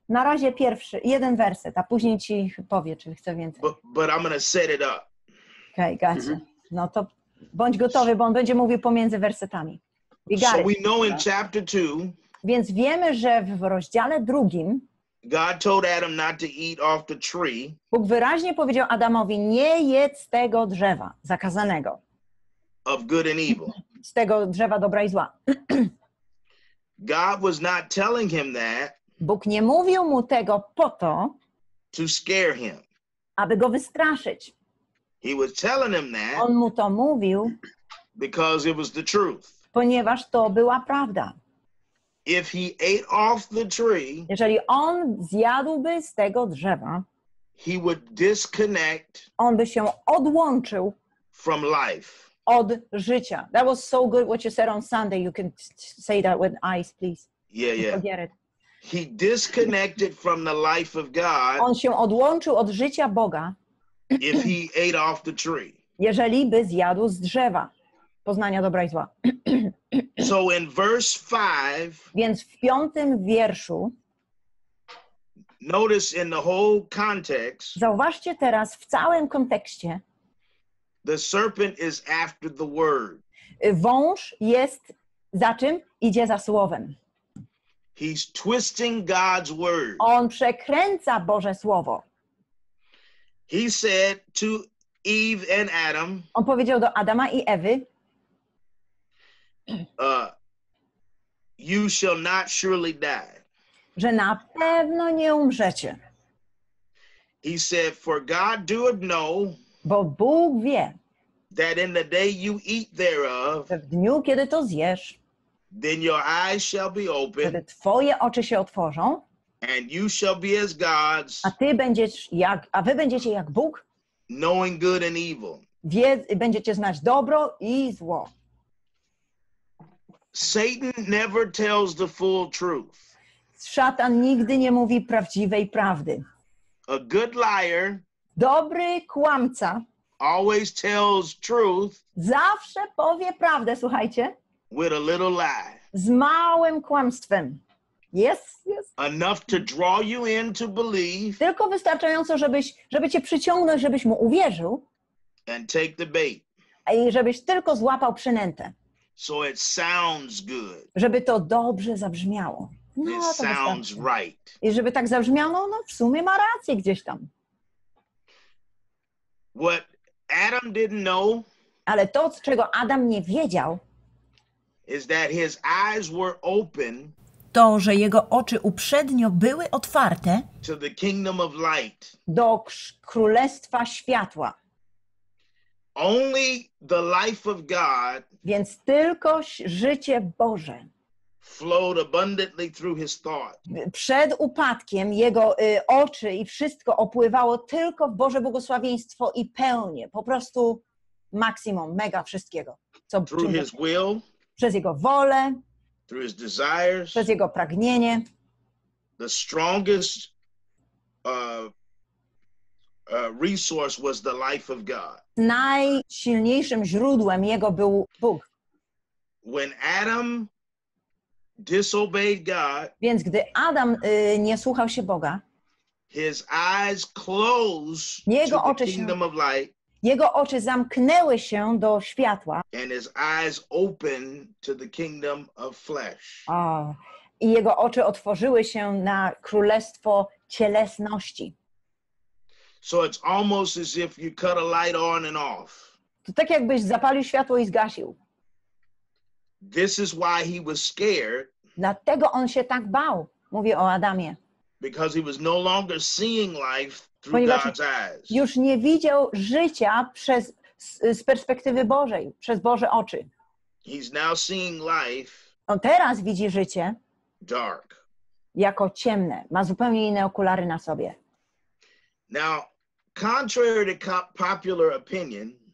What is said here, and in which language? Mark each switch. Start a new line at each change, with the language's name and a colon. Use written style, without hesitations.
Polish: Na razie pierwszy, jeden werset, a później ci powie, czy chce więcej.
English: But I'm gonna set it up. Okay, gotcha. Mm-hmm.
Polish: No to bądź gotowy, bo on będzie mówił pomiędzy wersetami.
English: So we know in chapter 2.
Polish: Więc wiemy, że w rozdziale drugim
English: God told Adam not to eat off the tree.
Polish: Bóg wyraźnie powiedział Adamowi, nie jedz z tego drzewa zakazanego.
English: Of good and evil.
Polish: Z tego drzewa dobra i zła.
English: God was not telling him that.
Polish: Bóg nie mówił mu tego po to,
English: to scare him.
Polish: Aby go wystraszyć.
English: He was telling him that.
Polish: On mu to mówił,
English: because it was the truth.
Polish: Ponieważ to była prawda.
English: If he ate off the tree,
Polish: jeżeli on zjadłby z tego drzewa,
English: he would disconnect.
Polish: On by się odłączył
English: from life.
Polish: Od życia.
English: That was so good what you said on Sunday. You can say that with eyes, please. Yeah, yeah. Forget it. He disconnected from the life of God.
Polish: On się odłączył od życia Boga.
English: If he ate off the tree.
Polish: Jeżeli by zjadł z drzewa poznania dobra i zła.
English: So in verse 5.
Polish: Więc w piątym wierszu.
English: Notice in the whole context.
Polish: Zauważcie teraz w całym kontekście.
English: The serpent is after the word.
Polish: Wąż jest za czym? Idzie za słowem.
English: He's twisting God's word.
Polish: On przekręca Boże słowo.
English: He said to Eve and Adam.
Polish: On powiedział do Adama i Ewy.
English: You shall not surely die.
Polish: Że na pewno nie umrzecie.
English: He said, for God doeth know.
Polish: Bo Bóg wie.
English: That in the day you eat thereof,
Polish: że w dniu, kiedy to zjesz,
English: then your eyes shall be open,
Polish: kiedy twoje oczy się otworzą,
English: and you shall be as gods,
Polish: a wy będziecie jak Bóg,
English: knowing good and evil.
Polish: Będziecie znać dobro i zło.
English: Satan never tells the full truth.
Polish: Szatan nigdy nie mówi prawdziwej prawdy.
English: A good liar,
Polish: dobry kłamca,
English: always tells truth.
Polish: Zawsze powie prawdę, słuchajcie.
English: With a little lie.
Polish: Z małym kłamstwem.
English: Yes, yes. Enough to draw you in to believe.
Polish: Tylko wystarczająco, żeby cię przyciągnąć, żebyś mu uwierzył.
English: And take the bait.
Polish: I żebyś tylko złapał przynętę.
English: So it sounds good.
Polish: Żeby to dobrze zabrzmiało.
English: No, it sounds right.
Polish: I żeby tak zabrzmiało, no w sumie ma rację gdzieś tam.
English: What Adam didn't know,
Polish: ale to, z czego Adam nie wiedział,
English: is that his eyes were open,
Polish: to, że jego oczy uprzednio były otwarte
English: to the kingdom of light.
Polish: Do królestwa światła.
English: Only the life of God,
Polish: więc tylko życie Boże
English: flowed abundantly through his thought.
Polish: Przed upadkiem jego oczy i wszystko opływało tylko w Boże błogosławieństwo i pełnię, po prostu maksimum, mega wszystkiego. Co
English: through his will,
Polish: przez jego wolę,
English: through his desires,
Polish: przez jego pragnienie.
English: The strongest resource was the life of God.
Polish: Najsilniejszym źródłem jego był Bóg.
English: When Adam disobeyed God,
Polish: więc gdy Adam nie słuchał się Boga,
English: his eyes closed
Polish: jego
English: to
Polish: oczy
English: the kingdom of light.
Polish: Jego oczy zamknęły się do światła.
English: And his eyes opened to the kingdom of flesh. Oh.
Polish: I jego oczy otworzyły się na królestwo cielesności.
English: So it's almost as if you cut a light on and off.
Polish: To tak jakbyś zapalił światło i zgasił.
English: This is why he was scared.
Polish: Dlatego on się tak bał, mówię o Adamie.
English: Because he was no longer seeing life through
Polish: Ponieważ
English: God's eyes.
Polish: Już nie widział życia przez z perspektywy Bożej, przez Boże oczy.
English: He's now seeing life.
Polish: On teraz widzi życie.
English: Dark.
Polish: Jako ciemne, ma zupełnie inne okulary na sobie.
English: Now, contrary to popular opinion,